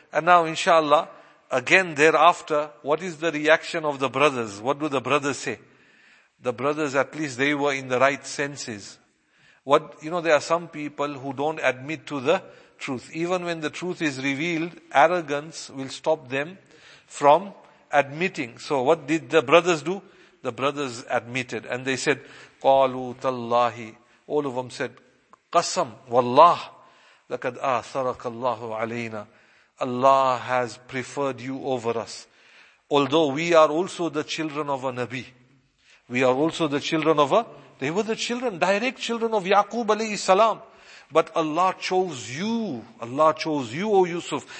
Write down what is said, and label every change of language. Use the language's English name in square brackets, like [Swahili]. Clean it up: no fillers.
[English] And now, inshallah, again, thereafter, what is the reaction of the brothers? What do the brothers say? The brothers, at least they were in the right senses. What, you know, there are some people who don't admit to the truth. Even when the truth is revealed, arrogance will stop them from admitting. So what did the brothers do? The brothers admitted and they said, [Arabic] قَالُوا تَاللَّهِ. [English] All of them said, [Arabic] قَسَمْ وَاللَّهِ لَكَدْ آثَرَكَ اللَّهُ عَلَيْنَا. [English] Allah has preferred you over us. Although we are also the children of a Nabi. We are also the children of a... They were the children, direct children of Yaqub alayhi salam. But Allah chose you. Allah chose you, O Yusuf.